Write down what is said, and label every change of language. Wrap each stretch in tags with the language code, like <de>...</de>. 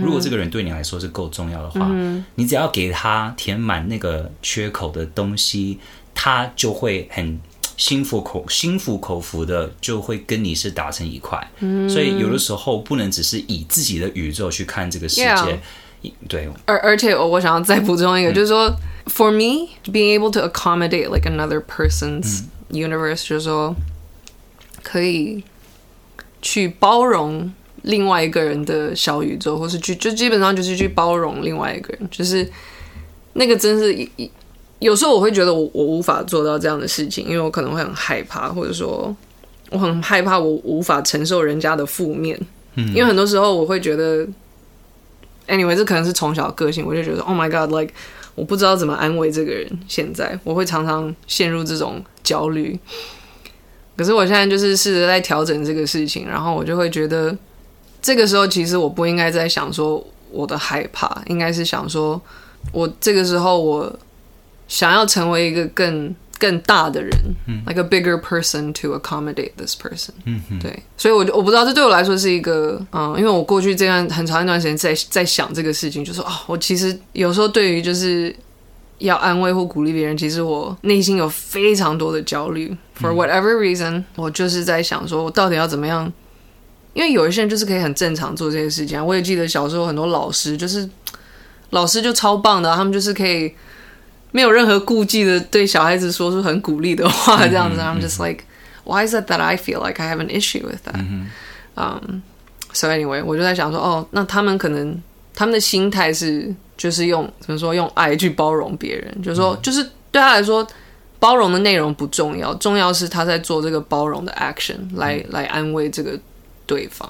<zh>如果这个人对你来说是够重要的话、嗯、你只要给他填满那个缺口的东西，他就会很心服口服的就会跟你是打成一块、嗯、所以有的时候不能只是以自己的宇宙去看这个世界、 yeah. 对。而且我想要再补充一个、嗯、就是说</zh> <en>for me being able to accommodate like another person's universe、嗯、</en> <zh>就是说可以去包容另外一个人的小宇宙，或是去就基本上就是去包容另外一个人、嗯、就是那个真是有时候我会觉得 我无法做到这样的事情，因为我可能会很害怕，或者说我很害怕我无法承受人家的负面、嗯、因为很多时候我会觉得 anyway 这可能是从小个性，我就觉得</zh> <en>oh my god like</en> <zh>我不知道怎么安慰这个人，现在我会常常陷入这种焦虑。可是我现在就是试着在调整这个事情，然后我就会觉得这个时候其实我不应该在想说我的害怕，应该是想说我这个时候我想要成为一个更大的人、嗯、</zh> <en>like a bigger person to accommodate this person、嗯、</en> <zh>对。所以 我不知道这对我来说是一个、因为我过去这段很长一段时间 在想这个事情，就是、哦、我其实有时候对于就是要安慰或鼓励别人，其实我内心有非常多的焦虑</zh> <en>for whatever reason、嗯、</en> <zh>我就是在想说我到底要怎么样，因为有一些人就是可以很正常做这些事情、啊、我也记得小时候很多老师就超棒的、啊、他们就是可以没有任何顾忌的对小孩子说出很鼓励的话这样子、嗯、</zh> <en>I'm just like why is it that I feel like I have an issue with that、嗯、 so anyway</en> <zh>我就在想说哦，那他们可能他们的心态是就是用怎么说用爱去包容别人，就是说、嗯、就是对他来说包容的内容不重要，重要是他在做这个包容的 action 来安慰这个对方。</zh>